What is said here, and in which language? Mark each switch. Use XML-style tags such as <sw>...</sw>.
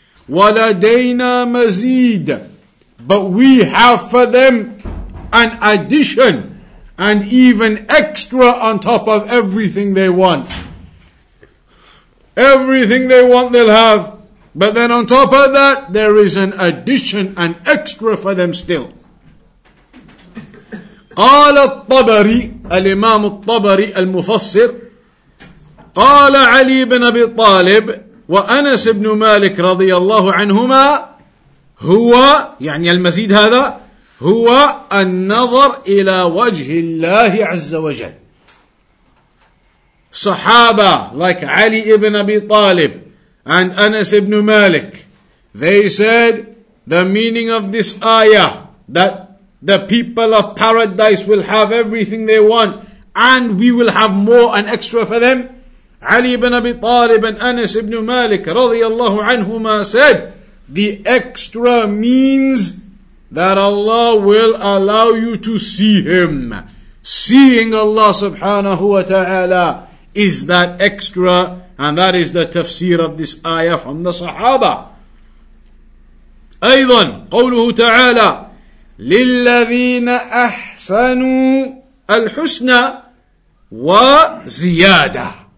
<ar>وَلَدَيْنَا مَزِيدٌ,</ar> <en>but we have for them an addition and even extra on top of everything they want. Everything they want they'll have. But then on top of that, there is an addition, an extra for them still.</en> <ar>قال الطبري, الإمام الطبري المفسر, قال علي بن أبي طالب وأنس بن مالك رضي الله عنهما, هو, يعني المزيد هذا, هو النظر إلى وجه الله عز وجل.</ar> <en>صحابة like علي بن أبي طالب and Anas ibn Malik, they said the meaning of this ayah, that the people of paradise will have everything they want, and we will have more and extra for them. Ali ibn Abi Talib and Anas ibn Malik radiyallahu anhuma said, the extra means that Allah will allow you to see Him. Seeing Allah subhanahu wa ta'ala is that extra, and that is the tafsir of this ayah from the Sahaba.</en> <ar>أيضا قوله تعالى للذين أحسنوا الحسنى وزيادة.</ar>